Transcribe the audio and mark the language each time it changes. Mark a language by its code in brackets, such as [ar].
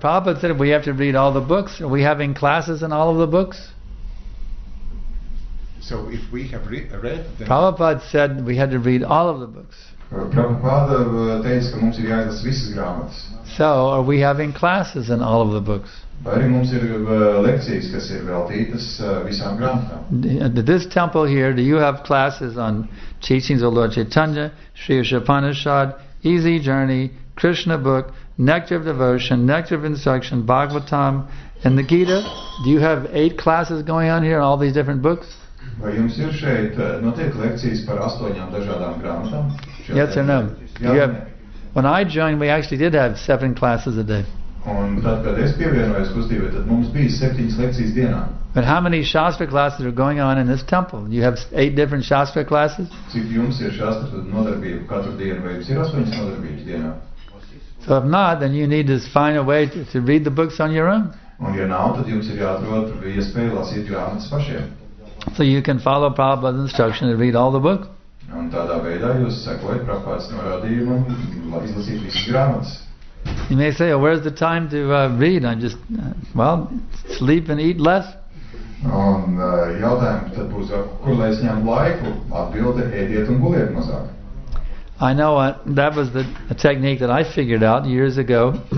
[en] Prabhupada said we have to read all the books. Are we having classes in all of the books? So, if we have read, then Prabhupada said we had to read all of the books. [lv] Prabhupada teica, ka mums ir jāizlasa visas grāmatas. [en] So, are we having classes in all of the books? [lv] Vai arī mums ir lekcijas, kas ir veltītas visām grāmatām? [en] This temple here, do you have classes on teachings of Lord Chaitanya, Sri Upanishad, Easy Journey, Krishna Book, Nectar of Devotion, Nectar of Instruction, Bhagavatam, and the Gita? Do you have 8 classes going on here in all these different books? [lv] Vai jums ir šeit notiek lekcijas par 8 dažādām grāmatām? [en] Yes or no? When I joined, we actually did have 7 classes a day. [lv] Un tad, kad es pievienojos kustībai, tad mums bija 7 lekcijas dienā. [en] But how many shastra classes are going on in this temple? You have 8 different shastra classes? [lv] Cik jums ir shastra nodarbību katru dienu, vai jums ir 8 nodarbības dienā? [en] So if not, then you need to find a way to read the books on your own. [lv] Un ja nav, tad jums ir jāatrod iespēju lasīt grāmatas pašiem. [en] So you can follow Prabhupada's instruction to read all the books. [lv] Un tādā veidā jūs sekojat Prabhupādas norādījumam, lai izlasītu visas grāmatas. [en] You may say, oh, where's the time to read? I just, sleep and eat less. [lv] Un jautājumi tad būs, kur lai es ņem laiku, atbilde, ēdiet un guliet mazāk. [en] I know that was the technique that I figured out years ago.